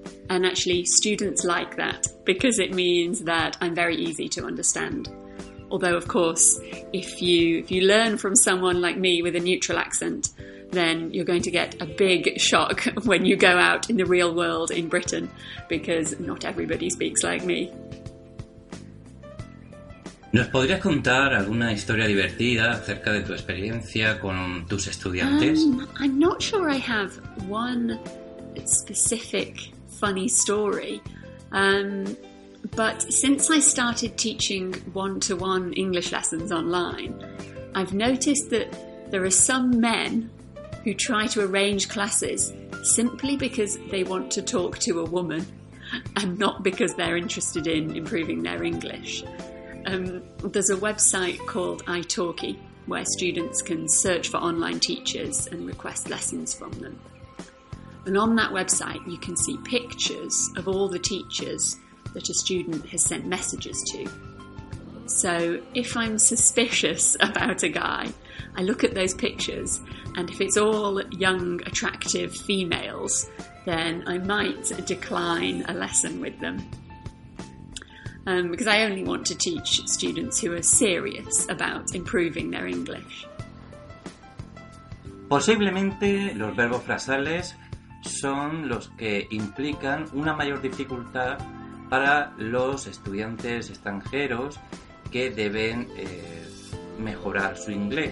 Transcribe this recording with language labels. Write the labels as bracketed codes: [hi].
[en] And actually, students like that because it means that I'm very easy to understand. Although, of course, if you learn from someone like me with a neutral accent, then you're going to get a big shock when you go out in the real world in Britain, because not everybody speaks like me. [es] ¿Nos podrías contar alguna historia divertida acerca de tu experiencia con tus estudiantes? [en] I'm not sure I have one specific funny story. But since I started teaching one-to-one English lessons online, I've noticed that there are some men who try to arrange classes simply because they want to talk to a woman and not because they're interested in improving their English. There's a website called iTalki where students can search for online teachers and request lessons from them. And on that website, you can see pictures of all the teachers that a student has sent messages to. So if I'm suspicious about a guy, I look at those pictures, and if it's all young, attractive females, then I might decline a lesson with them. Because I only want to teach students who are serious about improving their English. [es] Posiblemente los verbos frasales son los que implican una mayor dificultad para los estudiantes extranjeros que deben mejorar su inglés.